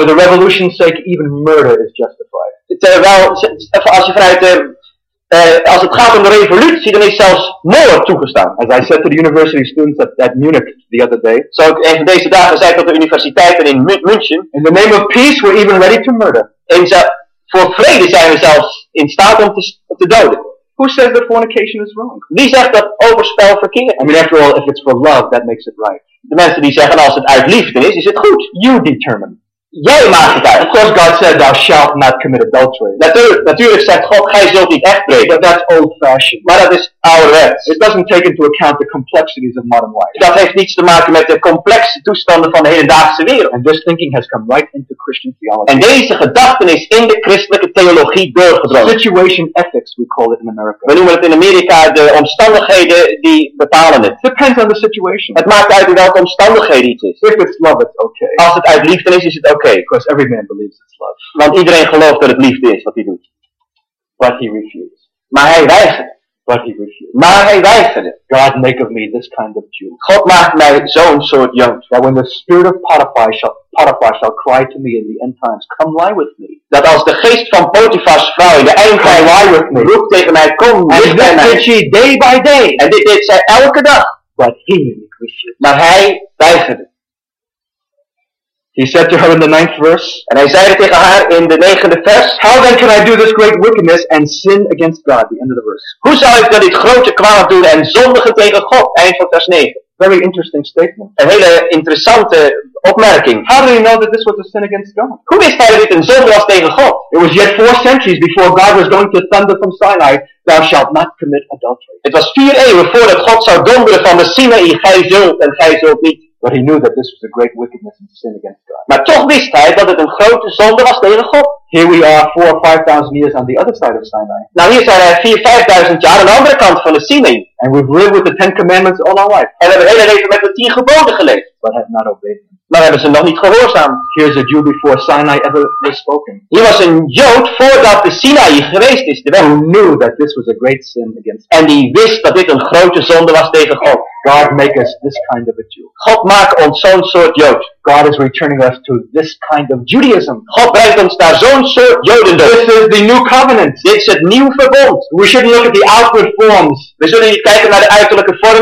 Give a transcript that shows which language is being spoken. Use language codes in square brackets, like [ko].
[en] For the revolution's sake, even murder is justified. [nl] Terwijl, als je vanuit als het gaat om de revolutie, dan is zelfs moord toegestaan. [en] As I said to the university students at Munich the other day. [nl] Zo ik even deze dagen zei tot de universiteiten in München. [en] In the name of peace, we're even ready to murder. [nl] En voor vrede zijn we zelfs in staat om te doden. [en] Who says that fornication is wrong? [nl] Wie zegt dat overspel verkeerd? [en] I mean, after all, if it's for love, that makes it right. [nl] De mensen die zeggen, als het uit liefde is het goed. [en] You determine. [nl] Jij maakt het uit. [en] Of course God said, thou shalt not commit adultery. [nl] Natuurlijk zegt God, gij zult niet echt breken. [en] But that's old-fashioned. [nl] Maar dat is ouderwets. [en] It doesn't take into account the complexities of modern life. [nl] Dat heeft niets te maken met de complexe toestanden van de hedendaagse wereld. [en] And this thinking has come right into Christian theology. [nl] En deze gedachten is in de christelijke theologie doorgedrongen. [en] Situation ethics, we call it in America. [nl] We noemen het in Amerika de omstandigheden die bepalen het. [en] Depends on the situation. [nl] Het maakt uit in welke omstandigheden iets is. [en] If it's love, it's okay. [nl] Als het uit liefde is het oké. [en] Okay, because every man believes it's love. [nl] Want iedereen gelooft dat het liefde is wat hij doet. [en] But he refused. [nl] Maar hij weigerde. [en] But he refused. [nl] Maar hij weigerde. [en] God make of me this kind of Jew. [nl] God maakt mij zo'n soort Jood. [en] That when the spirit of Potiphar shall Potiphar shall cry to me in the end times, come lie with me. [nl] Dat als de geest van Potiphar's vrouw in de eind tijd [en] lie with me. [nl] Roept tegen mij, kom lie bij mij. [en] And this did she day by day. [nl] En dit deed zij elke dag. [en] But he refused. [nl] Maar hij weigerde. [en] He said to her in the ninth verse. [nl] En hij zei tegen haar in de negende vers. [en] How then can I do this great wickedness and sin against God? The end of the verse. [nl] Hoe zou ik dan dit grote kwaad doen en zondigen tegen God? Eind van vers 9. [en] Very interesting statement. [nl] Een hele interessante opmerking. [en] How do you know that this was a sin against God? [nl] Hoe wist hij dat dit een zonde was tegen God? [en] It was yet 4 centuries before God was going to thunder from Sinai, thou shalt not commit adultery. [nl] Het was 4 eeuwen voordat God zou donderen van de Sinai, gij zult en gij zult niet. [en] But he knew that this was a great wickedness and sin against God. [nl] Maar toch wist hij dat het een grote zonde was tegen God. [en] Here we are 4,000 or 5,000 years on the other side of Sinai. [nl] Nou hier zijn wij 4,000 or 5,000 jaar aan de andere kant van de Sinai. [en] And we've lived with the 10 commandments all our life. [nl] En we hebben hele leven met de 10 geboden geleefd. [en] But have not obeyed them. [nl] Maar hebben ze nog niet gehoorzaamd. [en] Here's a Jew before Sinai ever was spoken. [nl] Hier was een Jood voordat de Sinai geweest is. [en] Who knew that this was a great sin against [nl] God. En die wist dat dit een grote zonde was tegen God. [en] God make us this kind of a Jew. [nl] God maak ons zo'n soort Jood. [en] God is returning us to this kind of Judaism. [nl] God brengt ons naar zo'n soort Jodendom. [en] This is the new covenant. [nl] Dit is het nieuwe verbond. [en] We shouldn't look at the outward forms. [nl] We zullen niet kijken naar de uiterlijke vormen.